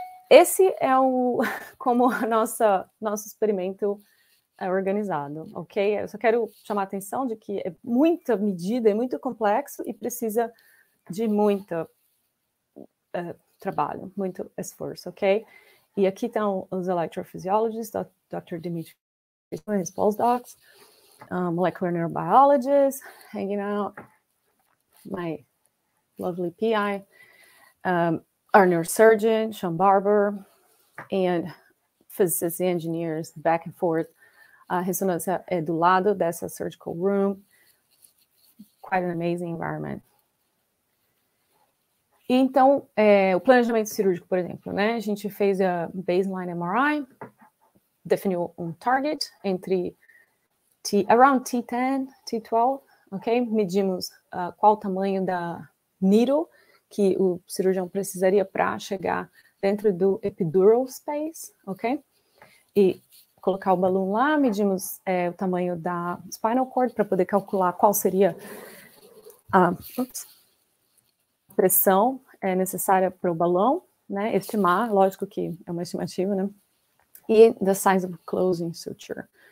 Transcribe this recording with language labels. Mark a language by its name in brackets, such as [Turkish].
[Portuguese] Esse é como a nosso experimento é organizado, ok? Eu só quero chamar a atenção de que é muita medida, é muito complexo e precisa de muito trabalho, muito esforço, ok? E aqui estão os electrophysiologists, Dr. [English] Dimitri, his postdocs, molecular neurobiologist hanging out, my lovely PI, our neurosurgeon, Sean Barber, and physicists and engineers back and forth. [Portuguese] A ressonância é do lado dessa surgical room. [English] Quite an amazing environment. [Portuguese] Então, o planejamento cirúrgico, por exemplo, né? A gente fez a baseline MRI, definiu target entre around T10, T12, ok? Medimos qual o tamanho da needle que o cirurgião precisaria para chegar dentro do epidural space, ok? E colocar o balão lá, medimos o tamanho da spinal cord para poder calcular qual seria a pressão necessária para o balão, né? Estimar, lógico que é uma estimativa, né? [English] E the size of closing suture.